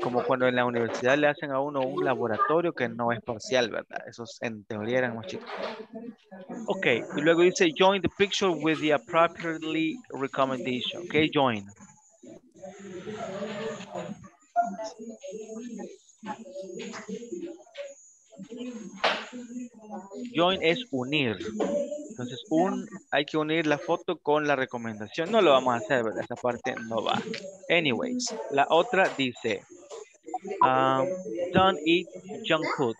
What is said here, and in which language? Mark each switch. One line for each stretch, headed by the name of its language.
Spanish: como cuando en la universidad le hacen a uno un laboratorio que no es parcial, ¿verdad? Esos en teoría eran más chiquitos.
English: Ok,
Spanish: y luego dice
English: join the picture with the appropriately recommendation. Ok, join.
Spanish: Join es unir. Entonces, hay que unir la foto con la recomendación. No lo vamos a hacer, ¿verdad? Esa parte no va.
English: Anyways,
Spanish: la otra dice,
English: don't eat junk food.